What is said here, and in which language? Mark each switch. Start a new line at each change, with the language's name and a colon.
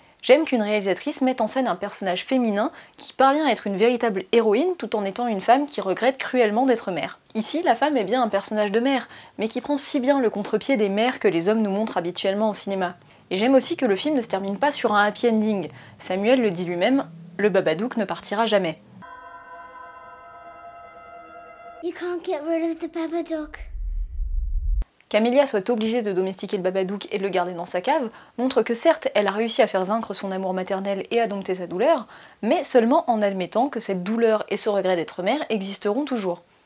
French: J'aime qu'une réalisatrice mette en scène un personnage féminin qui parvient à être une véritable héroïne tout en étant une femme qui regrette cruellement d'être mère. Ici, la femme est bien un personnage de mère, mais qui prend si bien le contre-pied des mères que les hommes nous montrent habituellement au cinéma. Et j'aime aussi que le film ne se termine pas sur un happy ending. Samuel le dit lui-même, le Babadook ne partira jamais.
English: You can't get rid of the Babadook.
French: Qu'Amélia soit obligée de domestiquer le Babadook et de le garder dans sa cave montre que certes, elle a réussi à faire vaincre son amour maternel et à dompter sa douleur, mais seulement en admettant que cette douleur et ce regret d'être mère existeront toujours.